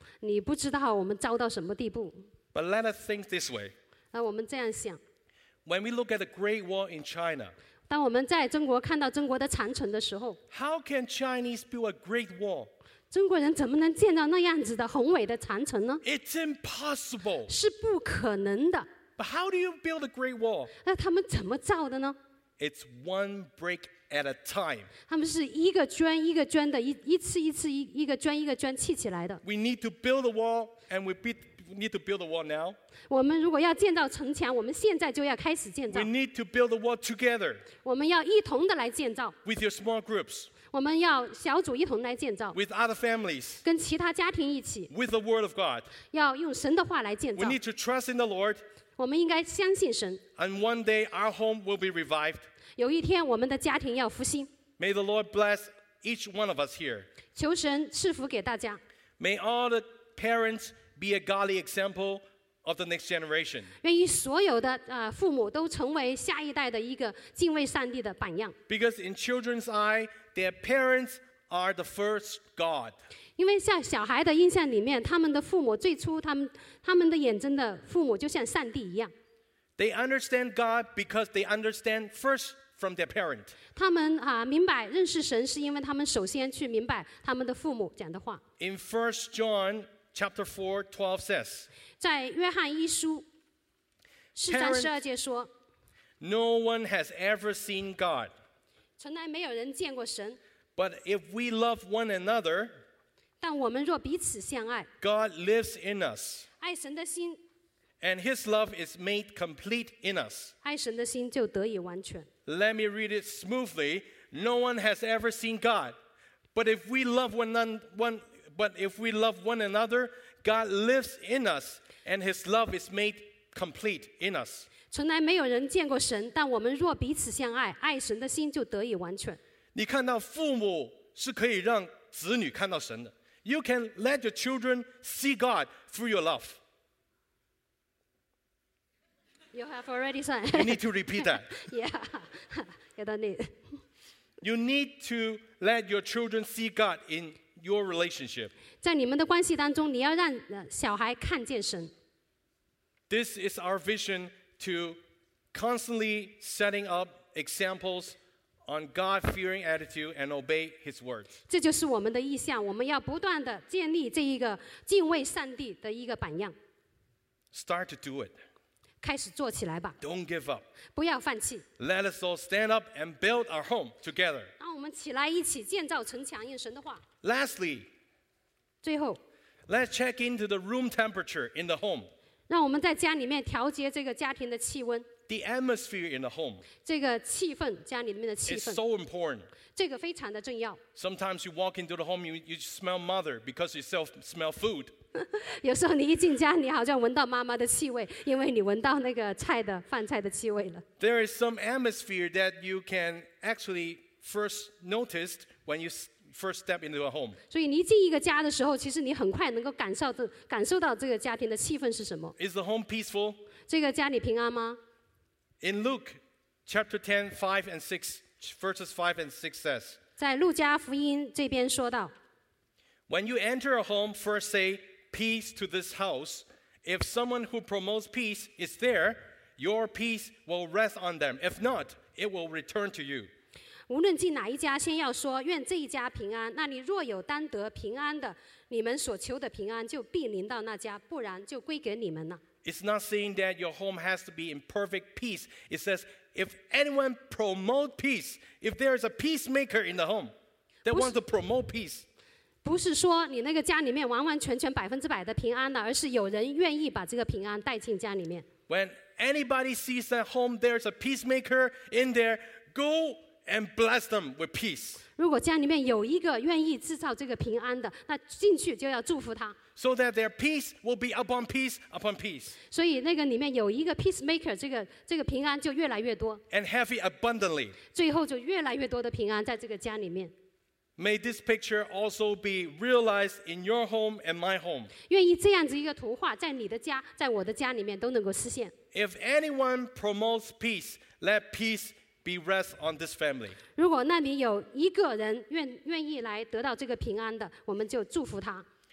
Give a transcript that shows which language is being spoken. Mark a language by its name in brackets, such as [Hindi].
[Chinese] 你不知道我们糟到什么地步。 [English] But let us think this way. [Chinese] 那我们这样想。 [English] When we look at the Great Wall in China. [Chinese] 当我们在中国看到中国的长城的时候。 [English] How can Chinese build a Great Wall? [Chinese] 中国人怎么能建造那样子的宏伟的长城呢？ [English] It's impossible. [Chinese] 是不可能的。 [English] But how do you build a Great Wall? [Chinese] 那他们怎么造的呢？ [English] It's one brick at a time. [Chinese] 他们是一个砖一个砖的，一次一次一个砖一个砖砌起来的。 [English] We need to build a wall, and we need to build a wall now. [Chinese] 我们如果要建造城墙，我们现在就要开始建造。 [English] We need to build a wall together. [Chinese] 我们要一同的来建造。 [English] With your small groups. [Chinese] 我们要小组一同来建造。 [English] With other families. [Chinese] 跟其他家庭一起。 [English] With the word of God. [Chinese] 要用神的话来建造。 [English] We need to trust in the Lord. [Chinese] 我们应该相信神。 [English] And one day our home will be revived. [Chinese] 有一天我们的家庭要复兴。 [English] May the Lord bless each one of us here. [Chinese] 求神赐福给大家。 [English] May all the parents be a godly example of the next generation. [Chinese] 愿意所有的父母都成为下一代的一个敬畏上帝的榜样。 [English] Because in children's eye, their parents are the first God. [Chinese] 因为像小孩的印象里面，他们的父母最初他们的眼中的父母就像上帝一样。 [English] They understand God because they understand first from their parent. [Chinese] 他们明白认识神是因为他们首先去明白他们的父母讲的话。 [English] In 1 John Chapter 4, 12 says, [Chinese] 在约翰一书四章十二节说 [English] No one has ever seen God. [Chinese] 从来没有人见过神 [English] But if we love one another, [Chinese] 但我们若彼此相爱 [English] God lives in us. [Chinese] 爱神的心 [English] And his love is made complete in us. [Chinese] 爱神的心就得以完全 [English] Let me read it smoothly. No one has ever seen God. But if we love one another, God lives in us, and His love is made complete in us. [Chinese] 从来没有人见过神，但我们若彼此相爱，爱神的心就得以完全。你看到父母是可以让子女看到神的。 [English] You can let your children see God through your love. You have already said. You need to repeat that. Yeah, you need. You need to let your children see God in your relationship. [Chinese] 在你们的关系当中，你要让小孩看见神。 [English] This is our vision to constantly setting up examples on God-fearing attitude and obey His words. [Chinese] 这就是我们的意向，我们要不断的建立这一个敬畏上帝的一个榜样。 [English] Start to do it. [Chinese] 开始做起来吧。 [English] Don't give up. [Chinese] 不要放弃。 [English] Let us all stand up and build our home together. [Chinese] 让我们起来一起建造城墙，用神的话。 [English] Lastly, [Chinese] 最后, [English] let's check into the room temperature in the home. [Chinese] 让我们在家里面调节这个家庭的气温。 [English] The atmosphere in the home. [Chinese] 这个气氛，家里面的气氛。 [English] It's so important. [Chinese] 这个非常的重要。 [English] Sometimes you walk into the home, you smell mother because you smell food. [Chinese] 有时候你一进家，你好像闻到妈妈的气味，因为你闻到那个菜的饭菜的气味了。 [English] There is some atmosphere that you can actually first notice when you first step into a home. [Chinese] 所以你进一个家的时候，其实你很快能够感受到这个家庭的气氛是什么。 [English] Is the home peaceful? [Chinese] 这个家里平安吗？ [English] In Luke chapter 10, 5 and 6, verses 5 and 6 says, [Chinese] 在路加福音这边说到， [English] When you enter a home, first say peace to this house. If someone who promotes peace is there, your peace will rest on them. If not, it will return to you. [Chinese] 无论进哪一家，先要说愿这一家平安。那你若有单得平安的，你们所求的平安就必临到那家，不然就归给你们了。 [English] It's not saying that your home has to be in perfect peace. It says if anyone promote peace, if there is a peacemaker in the home that wants to promote peace. [Chinese] 不是说你那个家里面完完全全百分之百的平安的，而是有人愿意把这个平安带进家里面。 [English] When anybody sees at home there's a peacemaker in there, go and bless them with peace. [Chinese] 如果家里面有一个愿意制造这个平安的，那进去就要祝福他。 [English] So that their peace will be upon peace upon peace. [Chinese] 所以那个里面有一个 peacemaker， 这个平安就越来越多。 [English] And have it abundantly. [Chinese] 最后就越来越多的平安在这个家里面。 [English] May this picture also be realized in your home and my home. [Chinese] 愿意这样子一个图画在你的家，在我的家里面都能够实现。 [English] If anyone promotes peace, let peace be rest on this family. [Chinese] 如果那里有一个人愿意来得到这个平安的，我们就祝福他。